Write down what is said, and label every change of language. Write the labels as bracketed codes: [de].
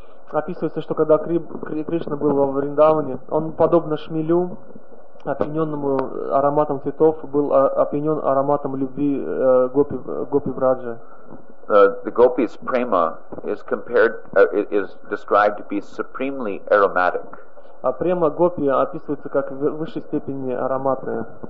[ru] Описывается, что когда Кришна был во Вриндаване, он подобно шмелю, опьяненному ароматом цветов, был опьянен ароматом любви гопи Браджи. [en] The gopis prema is compared, is described to be supremely aromatic. [ru] А према гопи описывается как в высшей степени ароматная.